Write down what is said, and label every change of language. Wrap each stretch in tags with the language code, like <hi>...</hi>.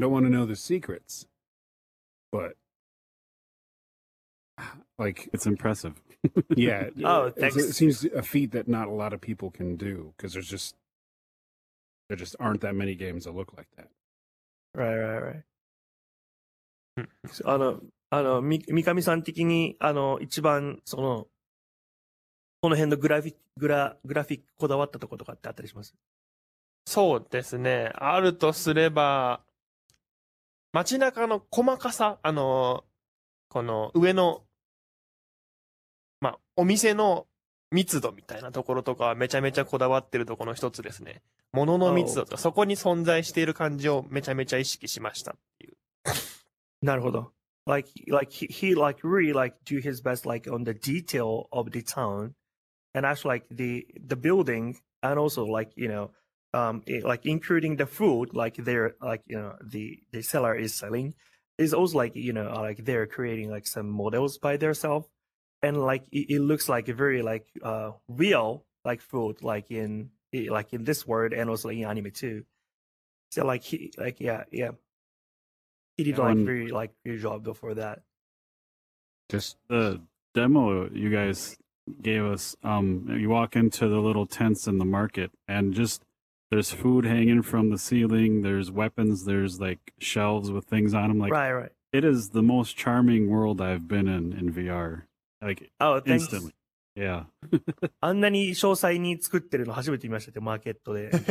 <en>Don't want to know the secrets, but like it's impressive. Yeah. Oh, thanks. It seems a feat that not a lot of people can do because there's just. There just aren't that many games that look like that. Right, right, right.</en> <ja>あの、Mikami-san 的に、一番、その、この辺のグラフィックこだわったところとかってあったりします？そうですね。あるとすれば、街中の細かさ、この上の、まあ、お店の、密度みたいなところとかはめちゃめちゃこだわってるところの一つですね。物の密度とか、そこに存在している感じをめちゃめちゃ意識しましたっていう。なるほど。</ja> <en>Like, he like really like do his best like on the detail of the town and actually like the building and also like, you know, like including the food like they're like, you know, the seller is selling is also like, you know, like they're creating like some models by themselves. And like it looks like a very like real like food like in this world and also in anime too. So like he did like very like good job before that. Just the demo you guys gave us. You walk into the little tents in the market and just there's food hanging from the ceiling. There's weapons. There's like shelves with things on them. Like right, right. It is the most charming world I've been in VR. Like, oh, thanks. Instantly. Yeah.</en> <ja>あんなに詳細に作ってるの初めて見ましたって、マーケットで。</ja>